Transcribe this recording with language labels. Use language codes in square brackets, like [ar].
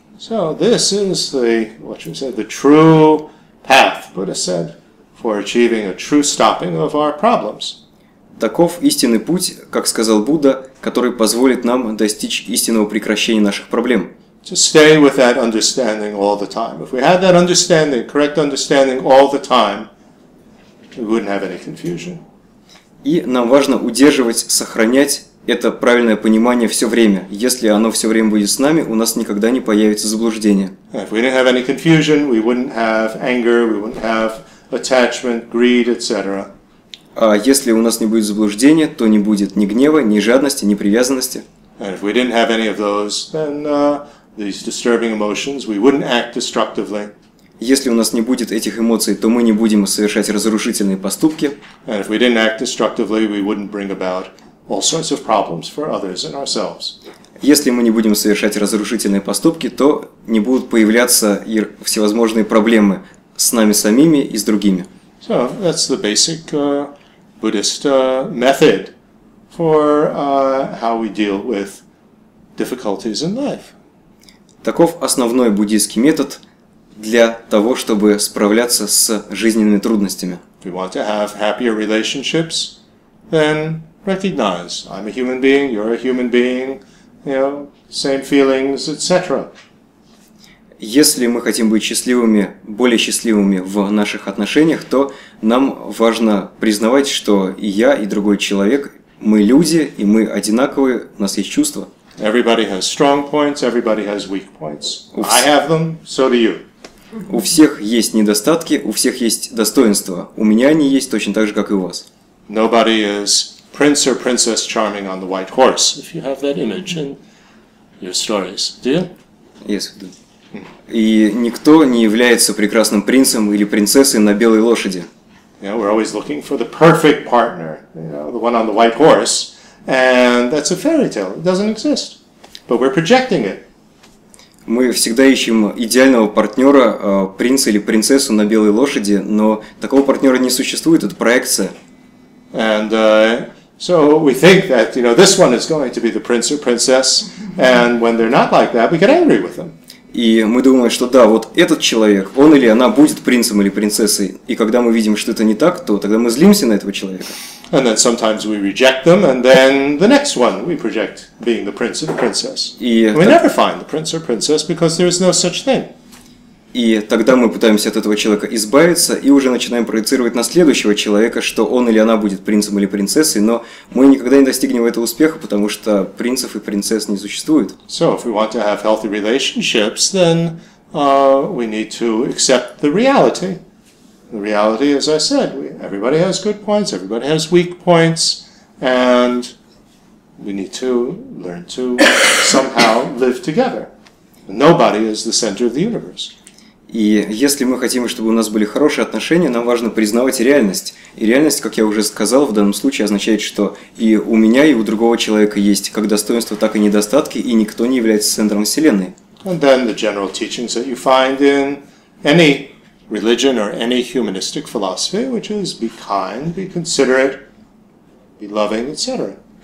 [en] So this is the, what you said, the true path, Buddha said, for achieving a true stopping of our problems. [ru] Таков истинный путь, как сказал Будда, который позволит нам достичь истинного прекращения наших проблем. [en] To stay with that understanding all the time. If we had that understanding, correct understanding all the time, we wouldn't have any confusion. [ru] И нам важно удерживать, сохранять это правильное понимание все время. Если оно все время будет с нами, у нас никогда не появится заблуждение. [en] If we didn't have any confusion, we wouldn't have anger, we wouldn't have attachment, greed, etc. [ru] А если у нас не будет заблуждения, то не будет ни гнева, ни жадности, ни привязанности. [en] And if we didn't have any of those, then these disturbing emotions, we wouldn't act destructively. [ru] Если у нас не будет этих эмоций, то мы не будем совершать разрушительные поступки. [en] And if we didn't act destructively, we wouldn't bring about all sorts of problems for others and ourselves. [ru] Если мы не будем совершать разрушительные поступки, то не будут появляться и всевозможные проблемы с нами самими и с другими. [en] So that's the basic Buddhist method for how we deal with difficulties in life. [ru] Таков основной буддийский метод для того, чтобы справляться с жизненными трудностями. [en] If we want to have happier relationships, then recognize, I'm a human being, you're a human being, you know, same feelings, etc. [ru] Если мы хотим быть счастливыми, более счастливыми в наших отношениях, то нам важно признавать, что и я, и другой человек, мы люди, и мы одинаковые, у нас есть чувства. [en] Everybody has strong points, everybody has weak points. I have them, so do you. [ru] У всех есть недостатки, у всех есть достоинства. У меня они есть точно так же, как и у вас. [en] Nobody is prince or princess charming on the white horse, if you have that image in your stories, do you? Yes, I do. [ru] И никто не является прекрасным принцем или принцессой на белой лошади. [en] Yeah, we're always looking for the perfect partner, you know, the one on the white horse, and that's a fairy tale. It doesn't exist, but we're projecting it. [ru] Мы всегда ищем идеального партнера, принца или принцессу на белой лошади, но такого партнера не существует, это проекция. [en] And so we think that, you know, this one is going to be the prince or princess, and when they're not like that, we get angry with them. [ru] И мы думаем, что да, вот этот человек, он или она будет принцем или принцессой. И когда мы видим, что это не так, то тогда мы злимся на этого человека. [en] And then sometimes we reject them, and then the next one we project being the prince or the princess. We never find the prince or princess because there is no such thing. [ru] И тогда мы пытаемся от этого человека избавиться и уже начинаем проецировать на следующего человека, что он или она будет принцем или принцессой, но мы никогда не достигнем этого успеха, потому что принцев и принцесс не существует. [en] So, if we want to have healthy relationships, then we need to accept the reality. The reality, as I said, everybody has good points, everybody has weak points, and we need to learn to somehow live together. Nobody is the center of the universe. [ru] И если мы хотим, чтобы у нас были хорошие отношения, нам важно признавать реальность. И реальность, как я уже сказал, в данном случае означает, что и у меня, и у другого человека есть как достоинства, так и недостатки, и никто не является центром Вселенной. [en] And then the general teachings that you find in any religion or any humanistic philosophy, which is be kind, be considerate, be loving, etc.